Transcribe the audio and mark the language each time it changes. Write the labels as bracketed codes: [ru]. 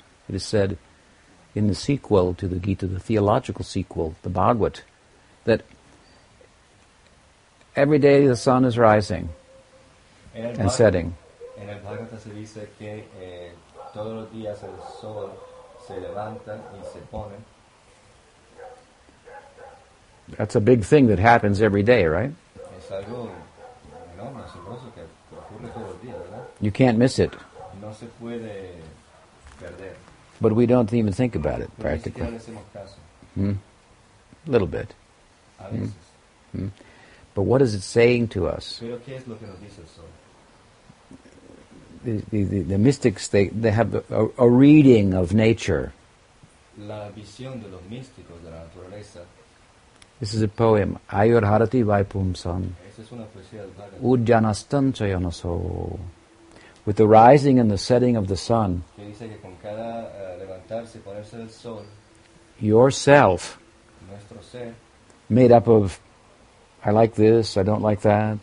[en] It is said in the sequel to the Gita, the theological sequel, the Bhagavat, that every day the sun is rising and setting. [es] En el Bhagavata se dice que todos los días el sol se levanta y se pone. [en] That's a big thing that happens every day, right? [es] Es algo enorme, asombroso que ocurre todos los días, ¿verdad? [en] You can't miss it. [es] No se puede perder. [en] But we don't even think about it, practically. [es] Ni siquiera le hacemos caso. [en] A little bit. [es] A veces. [en] But what is it saying to us? [es] Pero ¿qué es lo que nos dice el sol? [en] The mystics, they have a reading of nature. [es] La visión de los místicos de la naturaleza. [en] This is a poem. [sa] Ayurharati vaipumsam. [es] Esa es una poesía del [sa] Bhagavata. Udyanastan chayanaso. [en] With the rising and the setting of the sun. [es] Que dice que con cada levantarse y ponerse del sol. [en] Yourself. [es] Nuestro ser. [en] Made up of, I like this, I don't like that.